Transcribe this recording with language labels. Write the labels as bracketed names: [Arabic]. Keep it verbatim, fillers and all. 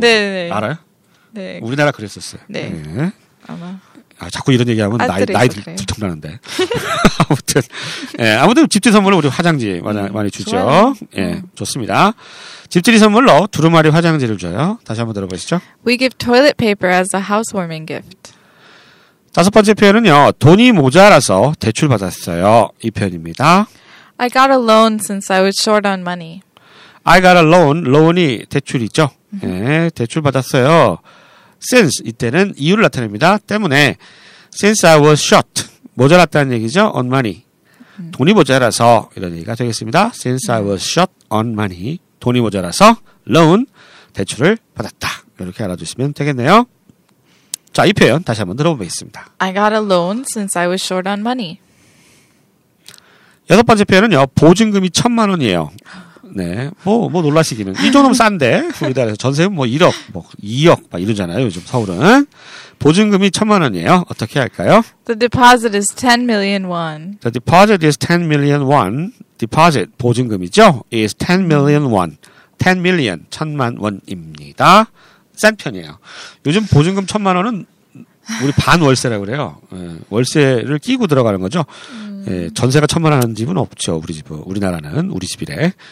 [Korean] 네네. 알아요? 네. 우리나라 그랬었어요. 네. 예. 아마 아, 자꾸 이런 얘기하면 나이, 알뜰해서 나이 그래요. 들통나는데. 아무튼, 예, 아무튼 집들이 선물로 우리 화장지 많이, 많이 주죠. 좋아요. 예, 좋습니다. 집들이 선물로 두루마리 화장지를 줘요. 다시 한번 들어보시죠. [English] We give toilet paper as a housewarming gift. [Korean] 다섯 번째 표현은요, 돈이 모자라서 대출받았어요. 이 표현입니다. [English] I got a loan since I was short on money. I got a loan, loan이 [Korean] 대출이죠. 예, 대출받았어요. since, 이때는 이유를 나타냅니다. 때문에, [English] since I was short, [Korean] 모자랐다는 얘기죠. [English] on money. [Korean] 돈이 모자라서, 이런 얘기가 되겠습니다. [English] since I was short on money. [Korean] 돈이 모자라서, loan, 대출을 받았다. 이렇게 알아주시면 되겠네요. 자, 이 표현 다시 한번 들어보겠습니다. [English] I got a loan since I was short on money. [Korean] 여섯 번째 표현은요, 보증금이 천만 원이에요. 네. 뭐, 뭐 놀라시기는. 이 정도면 싼데, 우리나라에서 전세는 뭐 일억, 뭐 이억, 막 이러잖아요. 요즘 서울은. 보증금이 천만 원이에요. 어떻게 할까요? [English] The deposit is ten million won. The deposit is ten million won. Deposit, 보증금이죠? is ten million won. ten million, [Korean] 천만 원입니다. 싼 편이에요. 요즘 보증금 천만 원은 우리 반 월세라고 그래요. 예, 월세를 끼고 들어가는 거죠. 예, 전세가 천만 원 하는 집은 없죠. 우리 집은. 우리나라는. 우리 집이래.